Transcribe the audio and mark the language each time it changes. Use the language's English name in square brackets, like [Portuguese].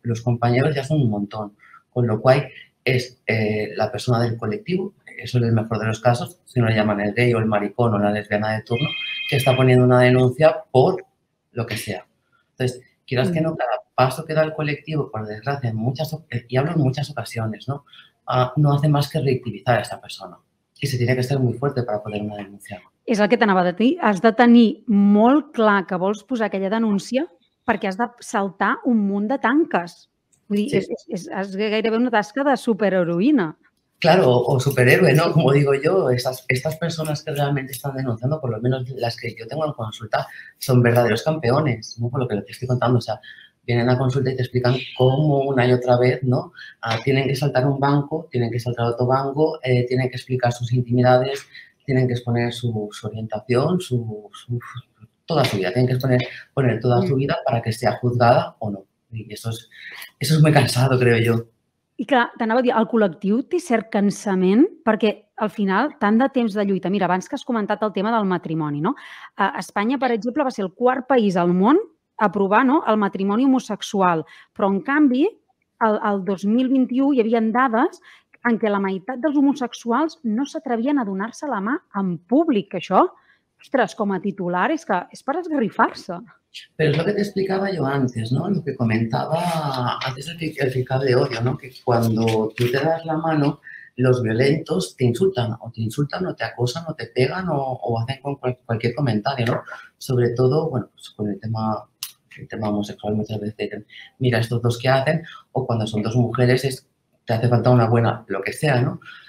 [Spanish] Los compañeros ya son un montón. Con lo cual es la persona del colectivo, eso es el mejor de los casos, si no le llaman el gay o el maricón o la lesbiana de turno, que está poniendo una denuncia por lo que sea. Entonces, quieras que no, cada paso que da el colectivo, por desgracia, y hablo en muchas ocasiones, ¿no? No hace más que reactivizar a esa persona. Y se tiene que ser muy fuerte para poder una denuncia. [Catalan] És el que t'anava de dir. Has de tenir molt clar que vols posar aquella denúncia perquè has de saltar un munt de tanques. Vull dir, és gairebé una tasca de superheroïna. [Spanish] Claro, o superhéroe, ¿no? Como digo yo, estas personas que realmente están denunciando, por lo menos las que yo tengo en consulta, son verdaderos campeones, ¿no? Por lo que te estoy contando, o sea, vienen a consulta y te explican cómo una y otra vez, ¿no? Tienen que saltar un banco, tienen que saltar otro banco, tienen que explicar sus intimidades, tienen que exponer su orientación, toda su vida, tienen que poner toda su vida para que sea juzgada o no. Y eso es muy cansado, creo yo. [Catalan] I clar, t'anava a dir, el col·lectiu té cert cansament perquè al final tant de temps de lluita. Mira, abans que has comentat el tema del matrimoni, no? A Espanya, per exemple, va ser el quart país al món a aprovar, no?, el matrimoni homosexual. Però, en canvi, el 2021 hi havia dades en què la meitat dels homosexuals no s'atrevien a donar-se la mà en públic, això. Ostres, com a titular, és que és per esgarrifar-se. [Spanish] Pero es lo que te explicaba yo antes, ¿no? Lo que comentaba antes el fiscal de odio, ¿no? Que cuando tú te das la mano, los violentos te insultan o te acosan o te pegan o hacen con cualquier comentario, ¿no? Sobre todo, bueno, pues con el tema homosexual muchas veces dicen, mira estos dos que hacen, o cuando son dos mujeres te hace falta una buena, lo que sea, ¿no?